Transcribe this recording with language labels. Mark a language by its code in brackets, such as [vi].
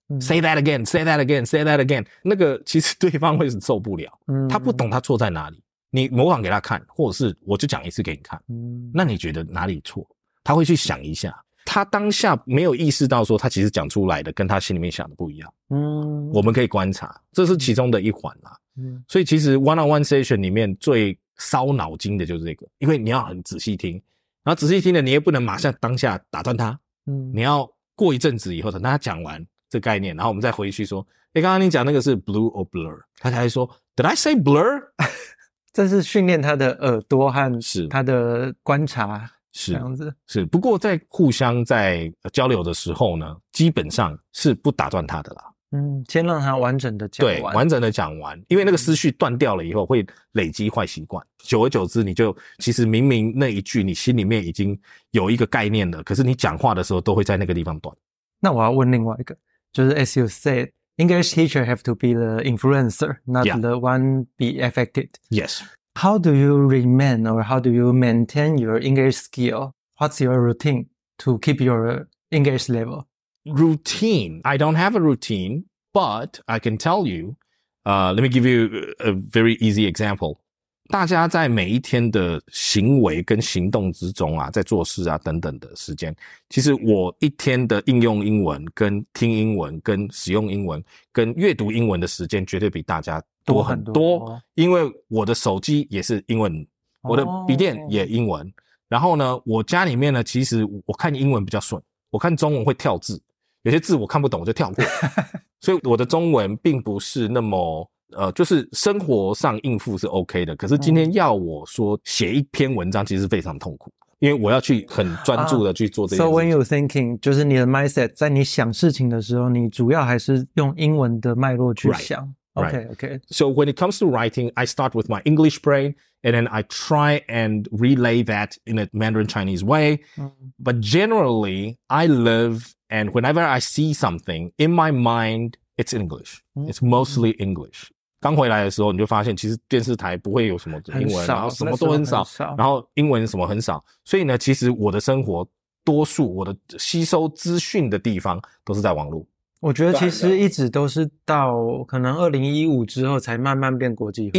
[en] Say that again, say that again, say that again。 [zh] 那个其实对方会是受不了。他不懂他错在哪里。你模仿给他看，或者是我就讲一次给你看。那你觉得哪里错，他会去想一下。他当下没有意识到说他其实讲出来的跟他心里面想的不一样。我们可以观察。这是其中的一环啦。所以其实 one-on-one session 里面最烧脑筋的就是这个，因为你要很仔细听，然后仔细听的你也不能马上当下打断他，你要过一阵子以后等他讲完这概念，然后我们再回去说，诶，刚刚你讲那个是 [en] blue or blur， [zh] 他才说 [en] did I say blur？ [zh] 这是训练他的耳朵和他的观察，是这样子。是，不过在互相在交流的时候呢，基本上是不打断他的啦。先让他完整的讲完。对，完整的讲完。因为那个思绪断掉了以后会累积坏习惯。久而久之你就其实明明那一句你心里面已经有一个概念了，可是你讲话的时候都会在那个地方断。那我要问另外一个。 [en] 就是 as you said, English teacher have to be the influencer, not the one be affected. Yes. How do you remain or how do you maintain your English skill? What's your routine to keep your English level? Routine. I don't have a routine, but I can tell you, let me give you a very easy example. [zh] 大家在每一天的行为跟行动之中啊，在做事啊等等的时间，其实我一天的应用英文跟听英文跟使用英文跟阅读英文的时间绝对比大家多很多，因为我的手机也是英文，我的笔电也英文，然后呢我家里面呢其实我看英文比较顺，我看中文会跳字，有些字我看不懂我就跳过，所以我的中文并不是那么就是生活上应付是 OK 的，可是今天要我说写一篇文章其实非常痛苦，因为我要去很专注的去做这件事情。 [en] So when you're thinking, [zh] 就是你的 mindset 在你想事情的时候，你主要还是用英文的脉络去想。 [en] Right. So when it comes to writing, I start with my English brain, and then I try and relay that in a Mandarin Chinese way. But generally, I live, and whenever I see something in my mind,It's English. It's mostly English. [zh] 刚回来的时候你就发现其实电视台不会有什么英文，然后什么都很少，然后英文什么很少。所以呢其实我的生活多数我的吸收资讯的地方都是在网络。我觉得其实一直都是到可能2015之后才慢慢变国际化。